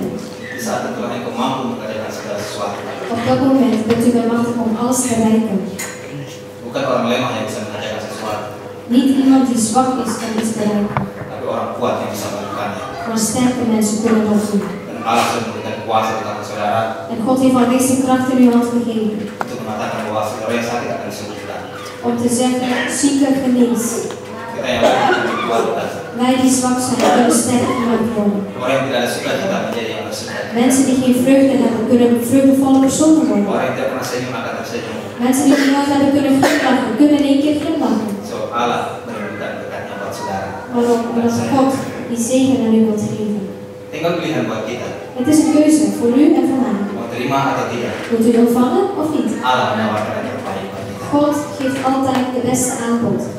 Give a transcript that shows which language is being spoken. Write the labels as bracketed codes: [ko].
[id] Di saat itu engkau mampu mengerjakan segala sesuatu. [nl] Op dat moment bent u bij macht om alles te bereiken. [id] Bukan orang lemah yang bisa mengerjakan sesuatu. [nl] Niet iemand die zwak is kan iets bereiken. [id] Tapi orang kuat yang bisa melakukannya. [nl] Maar sterke mensen kunnen dat doen. [id] Dan Allah sudah memberikan kuasa kepada saudara. [nl] En God heeft al deze kracht in uw hand gegeven. [id] Untuk mengatakan bahwa saudara yang sakit akan disembuhkan. [nl] Om te zeggen, zieke genees. [id] Kita yang kuat. [nl] Wij die zwak zijn kunnen sterk gemaakt worden. [id] Orang yang tidak ada suka kita menjadi yang bersenang. [nl] Mensen die geen vreugde hebben kunnen vreugdevolle personen worden. [id] Orang yang tidak pernah senyum akan tersenyum. [nl] Mensen die geen hebben kunnen glimlachen kunnen één keer glimlachen. [id] So Allah menurunkan berkatnya buat saudara. [nl] Waarom? Omdat God die zegen aan u wil geven. [id] Tinggal pilihan buat kita. [nl] Het is een keuze voor u en voor mij. [id] Mau terima atau tidak. [nl] Moet u ontvangen of niet? [id] Allah menawarkan yang terbaik buat kita. [nl] God geeft altijd de beste aanbod.